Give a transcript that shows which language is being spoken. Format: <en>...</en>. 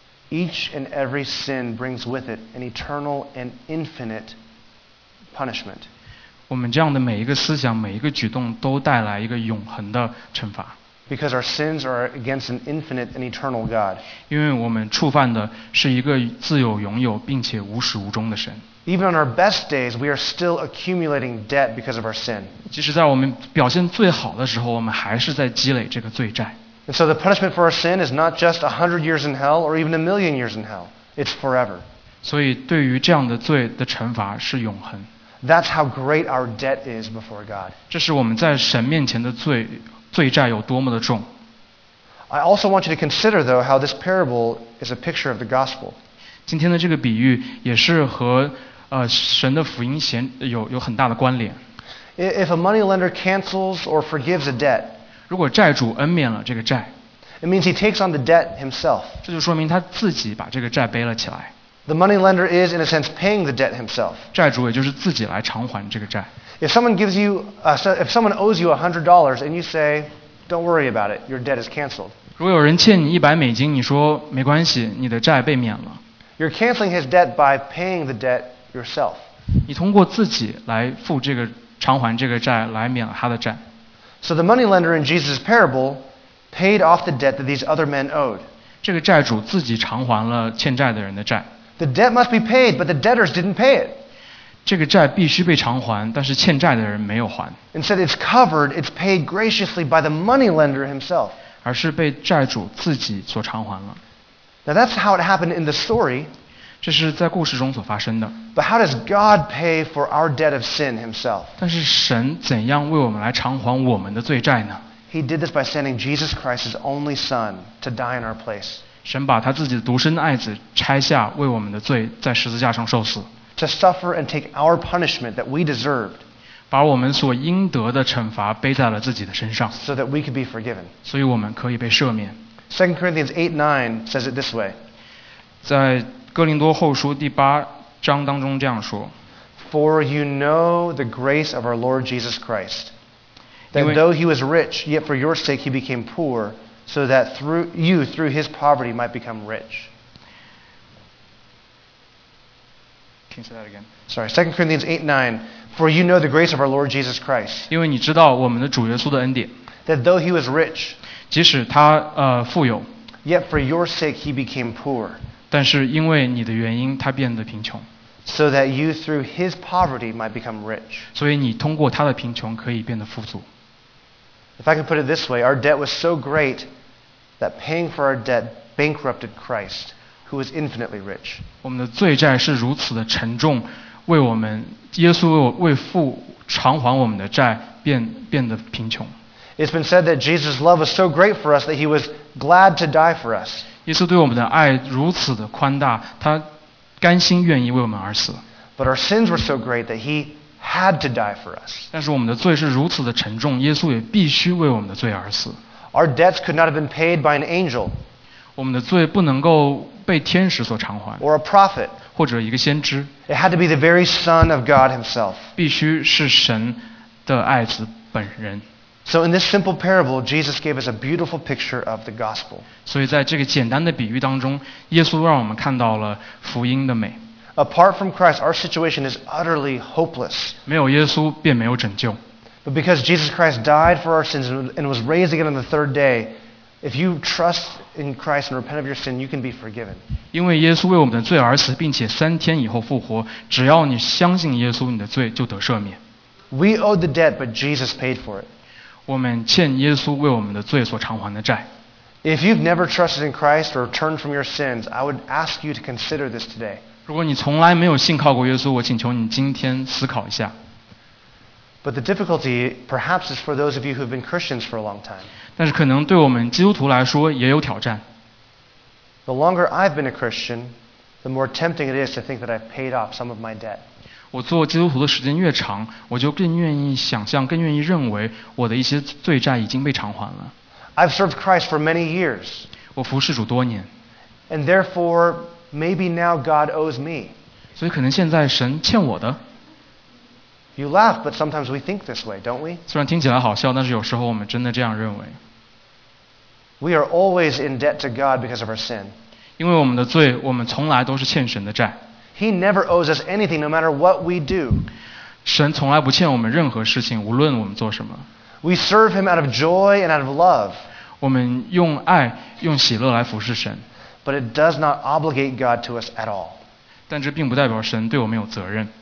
<en>Each and every sin brings with it an eternal and infinite punishment.</en> <zh>我们这样的每一个思想，每一个举动都带来一个永恒的惩罚。</zh> <en>Because our sins are against an infinite and eternal God.</en> <zh>因为我们触犯的是一个自有永有并且无始无终的神。</zh> <en>Even on our best days, we are still accumulating debt because of our sin.</en> <zh>即使在我们表现最好的时候，我们还是在积累这个罪债。</zh> <en>And so the punishment for our sin is not just 100 years in hell or even 1,000,000 years in hell. It's forever.</en> <zh>所以对于这样的罪的惩罚是永恒。</zh> <en>That's how great our debt is before God.</en> <zh>这是我们在神面前的罪债有多么的重。</zh> <en>I also want you to consider, though, how this parable is a picture of the gospel.</en> <zh>今天的这个比喻也是和神的福音有很大的关联。</zh> <en>If a moneylender cancels or forgives a debt,</en> <zh>如果债主恩免了这个债，</zh> <en>it means he takes on the debt himself.</en> <zh>这就说明他自己把这个债背了起来。</zh> <en>The moneylender is, in a sense, paying the debt himself.</en> <zh>债主也就是自己来偿还这个债。</zh> <en>If someone owes you $100 and you say, "Don't worry about it, your debt is canceled."</en> <zh>如果有人欠你$100，你说没关系，你的债被免了。</zh> <en>You're canceling his debt by paying the debt. Yourself.</en> <zh>你通过自己来付这个偿还这个债，来免了他的债。</zh> <en>So the moneylender in Jesus' parable paid off the debt that these other men owed.</en> <zh>这个债主自己偿还了欠债的人的债。</zh> <en>The debt must be paid, but the debtors didn't pay it.</en> <zh>这个债必须被偿还，但是欠债的人没有还。</zh> <en>Instead, it's covered, it's paid graciously by the moneylender himself.</en> <zh>而是被债主自己所偿还了。</zh> <en>Now that's how it happened in the story.</en> <zh>这是在故事中所发生的。</zh> <en>But how does God pay for our debt of sin himself?</en> <zh>但是神怎样为我们来偿还我们的罪债呢？</zh> <en>He did this by sending Jesus Christ's only son to die in our place.</en> <zh>神把他自己的独生爱子拆下，为我们的罪在十字架上受死。</zh> <en>To suffer and take our punishment that we deserved.</en> <zh>把我们所应得的惩罚背在了自己的身上。</zh> <en>So that we could be forgiven.</en> <zh>所以我们可以被赦免。</zh> <en>2 Corinthians 8:9 says it this way.</en> <zh>在哥林多后书第八章当中这样说</zh> <en>For you know the grace of our Lord Jesus Christ, that though he was rich, yet for your sake he became poor, so that through his poverty might become rich. Can you say that again? Sorry, 2 Corinthians 8:9 For you know the grace of our Lord Jesus Christ,</en> <zh>因为你知道我们的主耶稣的恩典</zh> <en>that though he was rich,</en> <zh>即使他富有</zh> <en>yet for your sake he became poor.</en> <zh>但是因为你的原因，他变得贫穷。</zh> <en>So that you through his poverty might become rich.</en> <zh>所以你通过他的贫穷可以变得富足。</zh> <en>If I can put it this way, our debt was so great that paying for our debt bankrupted Christ, who was infinitely rich.</en> <zh>我们的罪债是如此的沉重，为我们耶稣为父偿还我们的债，变得贫穷。</zh> <en>It's been said that Jesus' love was so great for us that he was glad to die for us.</en> <zh>耶稣对我们的爱如此的宽大，他甘心愿意为我们而死。</zh> <en>But our sins were so great that he had to die for us.</en> <zh>但是我们的罪是如此的沉重，耶稣也必须为我们的罪而死。</zh> <en>Our debts could not have been paid by an angel.</en> <zh>我们的罪不能够被天使所偿还。</zh> <en>Or a prophet.</en> <zh>或者一个先知。</zh> <en>It had to be the very Son of God Himself.</en> <zh>必须是神的爱子本人。</zh> <en>So in this simple parable, Jesus gave us a beautiful picture of the gospel.</en> <zh>所以在这个简单的比喻当中，耶稣让我们看到了福音的美。</zh> <en>Apart from Christ, our situation is utterly hopeless.</en> <zh>没有耶稣便没有拯救。</zh> <en>But because Jesus Christ died for our sins and was raised again on the third day, if you trust in Christ and repent of your sin, you can be forgiven.</en> <zh>因为耶稣为我们的罪而死，并且三天以后复活，只要你相信耶稣，你的罪就得赦免。</zh> <en>We owed the debt, but Jesus paid for it.</en> <zh>我们欠耶稣为我们的罪所偿还的债。</zh> <en>If you've never trusted in Christ or turned from your sins, I would ask you to consider this today.</en> <zh>如果你从来没有信靠过耶稣，我请求你今天思考一下。</zh> <en>But the difficulty, perhaps, is for those of you who have been Christians for a long time.</en> <zh>但是可能对我们基督徒来说也有挑战。</zh> <en>The longer I've been a Christian, the more tempting it is to think that I've paid off some of my debt.</en> <zh>我做基督徒的时间越长，我就更愿意想象，更愿意认为我的一些罪债已经被偿还了。</zh> <en>I've served Christ for many years.</en> <zh>我服侍主多年。</zh> <en>And therefore, maybe now God owes me.</en> <zh>所以可能现在神欠我的。</zh> <en>You laugh, but sometimes we think this way, don't we?</en> <zh>虽然听起来好笑，但是有时候我们真的这样认为。</zh> <en>We are always in debt to God because of our sin.</en> <zh>因为我们的罪，我们从来都是欠神的债。</zh> <en>He never owes us anything, no matter what we do.</en> <zh>神从来不欠我们任何事情，无论我们做什么。</zh> <en>We serve Him out of joy and out of love.</en> <zh>我们用爱、用喜乐来服侍神。</zh> <en>But it does not obligate God to us at all.</en> <zh>但这并不代表神对我们有责任。</zh>